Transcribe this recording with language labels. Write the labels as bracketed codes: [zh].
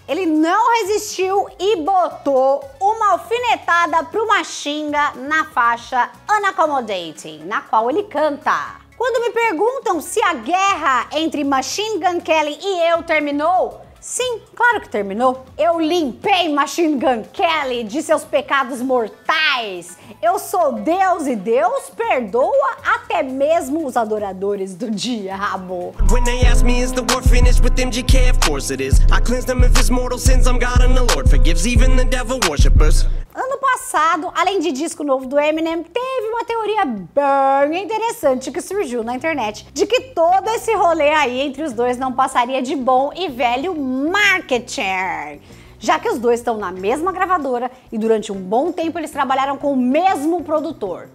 [pt] Ele não resistiu e botou uma alfinetada pro Machinga na faixa Unaccommodating, na qual ele canta: quando me perguntam se a guerra entre Machine Gun Kelly e eu terminou, sim, claro que terminou. Eu limpei Machine Gun Kelly de seus pecados mortais. Eu sou Deus e Deus perdoa até mesmo os adoradores do diabo. [en] When they ask me, is the war finished with MGK? Of course it is. I cleanse them of his mortal sins. I'm God and the Lord forgives even the devil worshippers. [pt] Ano passado, além de disco novo do Eminem, teve uma teoria bem interessante que surgiu na internet de que todo esse rolê aí entre os dois não passaria de bom e velho marketing. Já que os dois estão na mesma gravadora e durante um bom tempo eles trabalharam com o mesmo produtor.